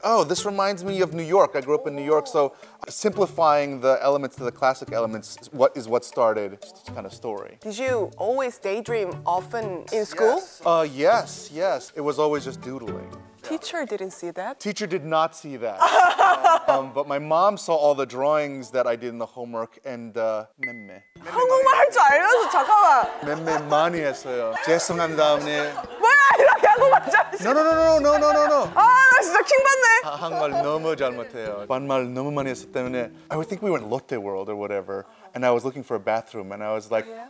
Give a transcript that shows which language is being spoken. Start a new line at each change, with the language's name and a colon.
English: Oh, this reminds me of New York. I grew up in New York, so simplifying the elements to the classic elements is what started this kind of story. Did you always daydream often in school? Yes, yes. It was always just doodling. Teacher didn't see that. Teacher did not see that. but my mom saw all the drawings that I did in the homework and
Korean: 맴매. 한국말 할 줄 알면서 잠깐만. 맴매 많이 했어요. 죄송합니다, 언니. 뭐야, 이렇게 한국말 잘하지?
English: No.
Korean: 아, 나 진짜 킹받네. 한국말 너무 잘못해요. 반말 너무 많이 했기 때문에.
English: I would think we went Lotte World or whatever. And I was looking for a bathroom, and I was like, oh, yeah.